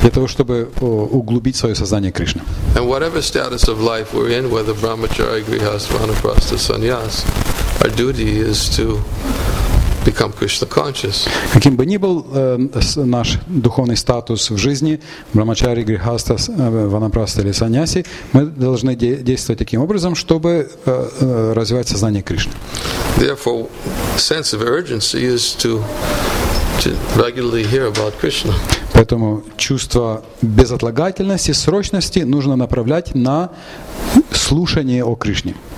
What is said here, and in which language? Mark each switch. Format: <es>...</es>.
<ru>Для того, чтобы углубить свое сознание Кришны.</ru> <en>And whatever status of life we're in, whether brahmachari, grihastha, vanaprastha, sannyas, our duty is to become Krishna conscious.</en> <ru>Каким бы ни был наш духовный статус в жизни, брамачари, грихаста, ванапраста или саньяси, мы должны действовать таким образом, чтобы развивать сознание Кришны.</ru> <en>Therefore, sense of urgency is to regularly hear about Krishna.</en> <ru>Поэтому чувство безотлагательности, срочности нужно направлять на слушание о Кришне.</ru>